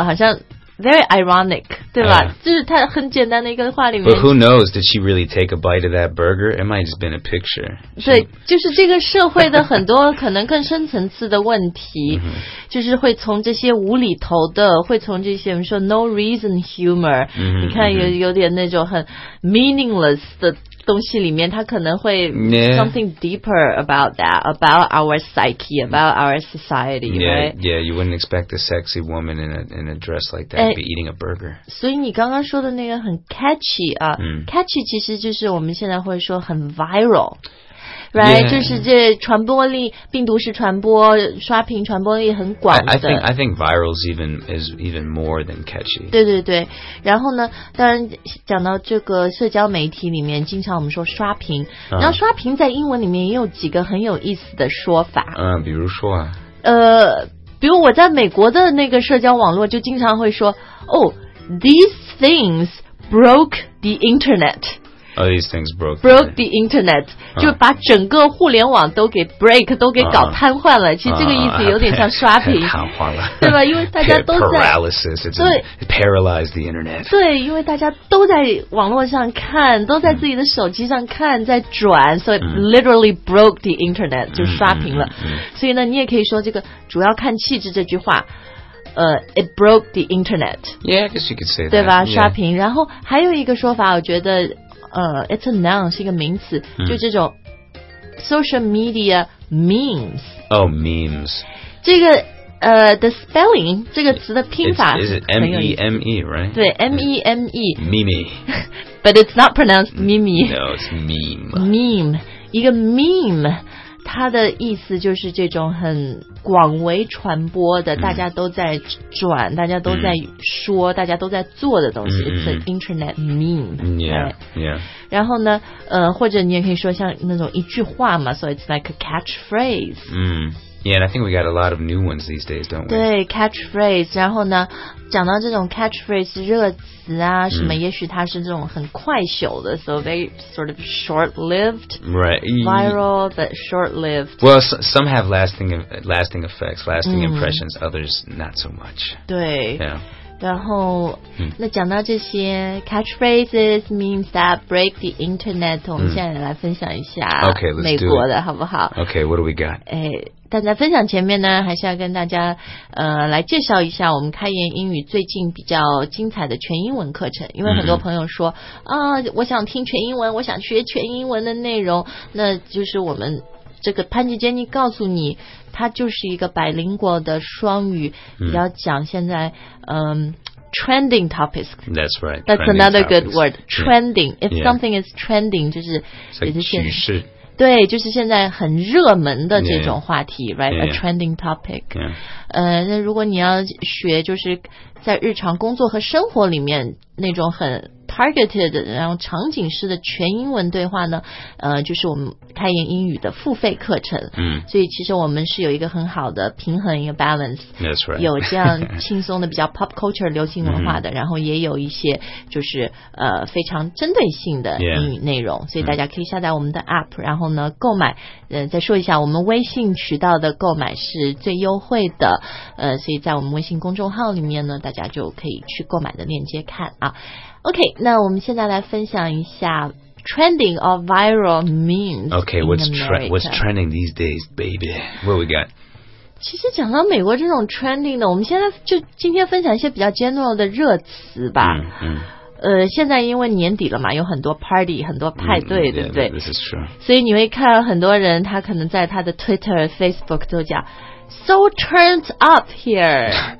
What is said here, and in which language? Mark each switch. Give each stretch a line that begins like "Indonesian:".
English: yeah.
Chinese: 好像 very ironic 对吧、就是他很简单的一个话里面
English: But who knows did she really take a bite of that burger it might have been a picture
Chinese: 对就是这个社会的很多可能更深层次的问题就是会从这些无厘头的会从这些我们说 no reason humor 你看有点那种很 meaningless 的东西里面它可能会
English: something deeper about that about our psyche about our society yeah you wouldn't expect a sexy woman in a dress like that to be eating a burger
Chinese: 所以你刚刚说的那个很 catchy 啊、catchy 其实就是我们现在会说很 viral right、
English: yeah.
Chinese: 就是这传播力病毒式传播刷屏传播力很广的
English: I think viral is even more than catchy
Chinese: 对对对然后呢当然讲到这个社交媒体里面经常我们说刷屏、然后刷屏在英文里面也有几个很有意思的说法比如说啊比如我在美国的那个社交网络就经常会说
English: Oh, these things broke the internet All these things broke. Broke the internet,、
Chinese: 就把整个互联网都给 break, 都给搞瘫痪了。其实这个意思有点像刷屏。瘫痪了。对吧，因为大家都在。
English: Paralysis, it paralyzed the internet.
Chinese: 对，因为大家都在网络上看，都在自己的手机上看，在转，所以、so、
English: literally broke the internet,
Chinese: 就刷屏了。所以呢，你也可以说这个主要看气质这句话。
English: It broke the internet. Yeah, I guess you could say that.
Chinese: 对吧、
English: yeah.
Chinese: 刷屏。然后还有一个说法我觉得it's a noun, 是一个名词、mm. 就这种 social media memes.
English: Oh, memes.
Chinese: 这个the spelling, 这个词的拼法
English: is it M-E-M-E, right? 对 M-E-M-E. Meme. But it's not pronounced meme. No, it's meme. Meme. 一个 meme.
Chinese: 它的意思就是这种很广为传播的、大家都在转大家都在说、大家都在做的东西、
English: It's an internet meme Yeah,、 right? yeah
Chinese: 然后呢或者你也可以说像那种一句话嘛
English: So it's like a catchphrase、 Yeah, and I think we got a lot of new ones these days, don't we?
Chinese: 对 catchphrase 然后呢讲到这种 catchphrase 热词啊什么、也许它是这种很快朽的
English: So very sort of short-lived Right Viral, but short-lived Well, some have lasting effects, lasting impressions、Others, not so much
Chinese: 对
English: Yeah
Chinese: 然后、那讲到这些
English: catchphrases means that break the internet、
Chinese: 我们现在来分享一下
English: Okay, let's do it
Chinese: 美国的好不好
English: Okay, what do we got?
Chinese: 但在分享前面呢还是要跟大家来介绍一下我们开言英语最近比较精彩的全英文课程因为很多朋友说啊、我想听全英文我想学全英文的内容那就是我们这个潘吉杰尼告诉你他就是一个百灵果的双语比较讲现在trending topics
English: that's right that's another good word trending if something is trending
Chinese: 就是趋势对就是现在很热门的这种话题 right? A trending topic 那如果你要学就是在日常工作和生活里面那种很 targeted 然后场景式的全英文对话呢就是我们开言英语的付费课程所以其实我们是有一个很好的平衡一个 balance
English: That's right.
Chinese: 有这样轻松的比较 pop culture 流行文化的然后也有一些就是非常针对性的英语内容所以大家可以下载我们的 app 然后呢购买再说一下我们微信渠道的购买是最优惠的所以在我们微信公众号里面呢大家就可以去购买的链接看啊 OK 那我们现在来分享一下
English: Trending or viral memes. Okay, what's trending these days, baby? What we got?
Chinese: 其实讲到美国这种 trending 的，我们现在就今天分享一些比较 general 的热词吧。现在因为年底了嘛，有很多 party, 很多派对，对不对
English: yeah, this is true.
Chinese: 所以你会看很多人，他可能在他的 Twitter、Facebook 都讲
English: so turned up here.